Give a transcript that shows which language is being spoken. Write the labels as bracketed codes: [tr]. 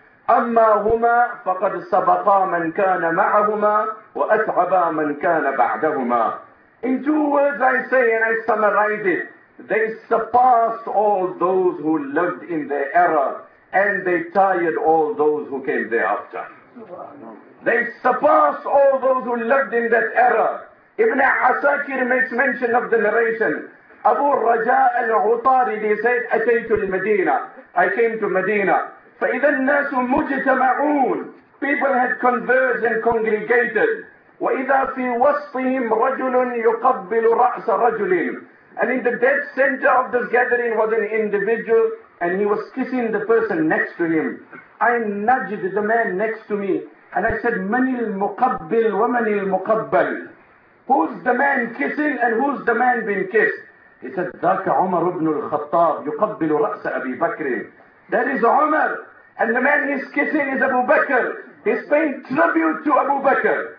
[ar] أما هما فقد سبقا من كان معهما وأتعبا من كان بعدهما. [en] In two words I say and I summarize it. They surpassed all those who lived in their era and they tired all those who came thereafter. They surpassed all those who lived in that era. Ibn Asakir makes mention of the narration. Abu Raja al-Utaridi said, [ar] أتيت المدينة. [en] I came to Medina. [ar] فإذا الناس مجتمعون. [en] People had converged and congregated. [ar] وإذا في وسطهم رجل يقبل رأس رجل. [en] And in the dead center of this gathering was an individual and he was kissing the person next to him. I nudged the man next to me and I said, [ar] من المقبل ومن المقبل. [en] Who's the man kissing and who's the man being kissed? He said, [ar] ذاك عمر بن الخطاب يقبل رأس أبي بكر. [en] That is Umar. And the man he's kissing is Abu Bakr. He's paying tribute to Abu Bakr.